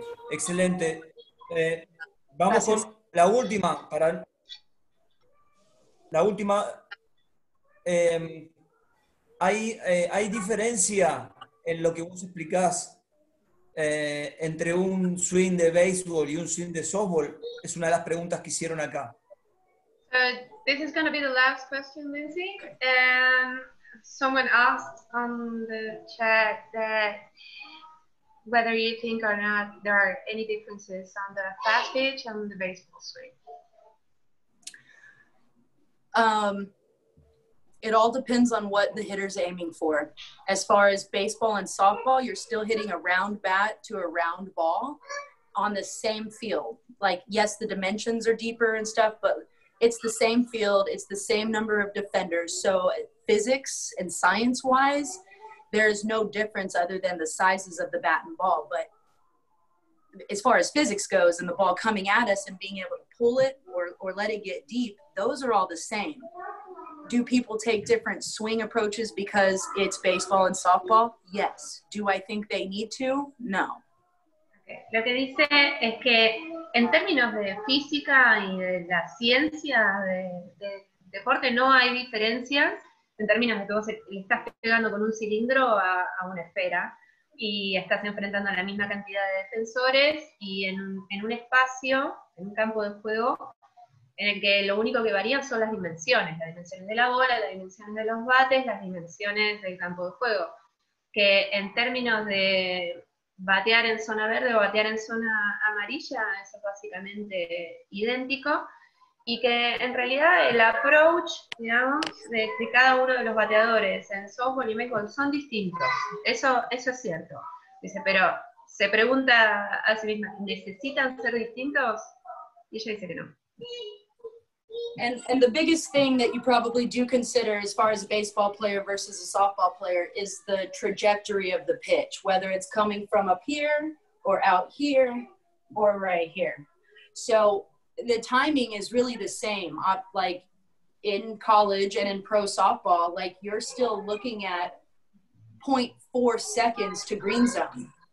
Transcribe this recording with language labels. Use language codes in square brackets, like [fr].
[es] Excelente. Vamos con la última, para la última. Hay diferencia en lo que vos explicás entre un swing de baseball y un swing de softball. Es una de las preguntas que hicieron acá. [en] This is going to be the last question, Lindsay. Someone asked on the chat that whether you think or not there are any differences on the fast pitch and the baseball swing. It all depends on what the hitter's aiming for. As far as baseball and softball, you're still hitting a round bat to a round ball on the same field. Like, yes, the dimensions are deeper and stuff, but it's the same field, it's the same number of defenders. So physics and science-wise, there is no difference other than the sizes of the bat and ball. But as far as physics goes and the ball coming at us and being able to pull it or let it get deep, those are all the same. Do people take different swing approaches because it's baseball and softball? Yes. Do I think they need to? No. Okay. [es] Lo que dice es que en términos de física y de la ciencia de deporte no hay diferencias en términos de que vos estás pegando con un cilindro a una esfera y estás enfrentando a la misma cantidad de defensores y en un espacio, en un campo de juego, en el que lo único que varía son las dimensiones, las dimensiones de la bola, las dimensiones de los bates, las dimensiones del campo de juego. Que en términos de batear en zona verde o batear en zona amarilla, eso es básicamente idéntico, y que en realidad el approach, digamos, de cada uno de los bateadores en softball y baseball son distintos. Eso es cierto. Dice, pero se pregunta a sí misma, ¿necesitan ser distintos? Y ella dice que no. [en] And the biggest thing that you probably do consider as far as a baseball player versus a softball player is the trajectory of the pitch, whether it's coming from up here or out here or right here. So the timing is really the same. Like in college and in pro softball, like you're still looking at 0.4 seconds to green zone.